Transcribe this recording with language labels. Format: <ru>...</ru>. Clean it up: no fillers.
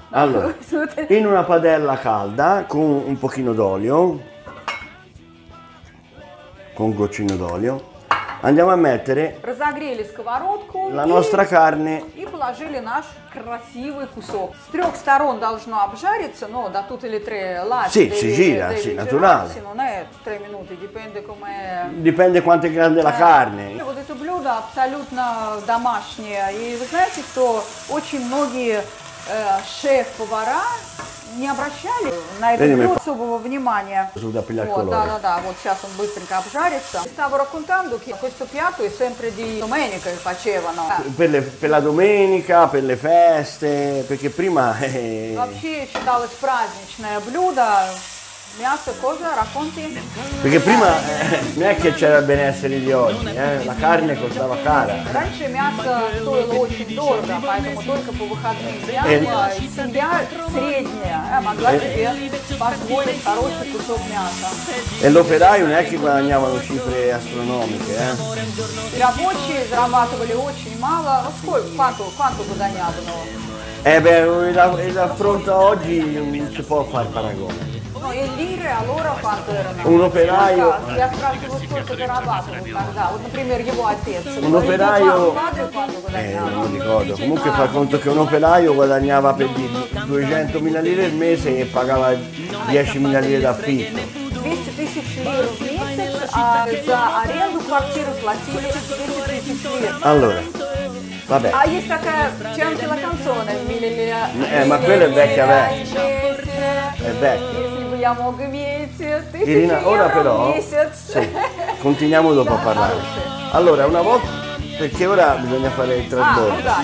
<it>Allora, in una padella calda con un pochino d'olio. Con un goccino d'olio. Andiamo a mettere</it> <ru>Разогрели сковородку.</ru> <it>La nostra carne.</it> <ru>И положили наш красивый кусок. С трех сторон должно обжариться, но да тут или три ласки.</ru> <it>Sì, si gira, sì, naturale. Non è 3 minuti, dipende come Dipende quanto è grande la carne.</it> <ru>Вот это блюдо абсолютно домашнее. И вы знаете, что очень многие шеф-повара не обращали на это особого внимания. Да, да, да, да. Вот сейчас он быстренько обжарится.</ru> <it>Stavo raccontando che questo piatto è sempre di domenica che facevano. Per la domenica, per le feste, perché prima.</it> <ru>Вообще считалось праздничное блюдо.</ru> <it>Мясо, cosa racconti? Perché prima non è che c'era il benessere di oggi, la carne costava cara.</it> <ru>Раньше мясо стоило очень дорого, поэтому только по выходным. Семья средняя могла себе позволить хороший кусок мяса.</ru> <it>E l'operaio non è che guadagnavano cifre astronomiche,</it> <ru>I рабочие зарабатывали очень мало.</ru> <it>Quanto guadagnavano? Da fronte a oggi non si può fare paragone.</it> <ru>Ну, и лиры,</ru> <it>allora, quanto erano? Un operaio...</it> <ru>Я спрашиваю, сколько зарабатывал тогда. Вот, например, его отец.</ru> <it>Un operaio... Non ricordo. Comunque fa conto che un operaio guadagnava per 200.000 lire al mese e pagava 10.000 lire d'affitto. 200 тысяч лир в месяц, а за аренду квартиры платили 200 тысяч лир. Allora. Vabbè. Ah, c'è anche la canzone, ma quella è vecchia, vecchia. È vecchia. Irina, ora però, sì, continuiamo dopo a parlare. Allora, una volta, perché ora bisogna fare il trasbordo.</it>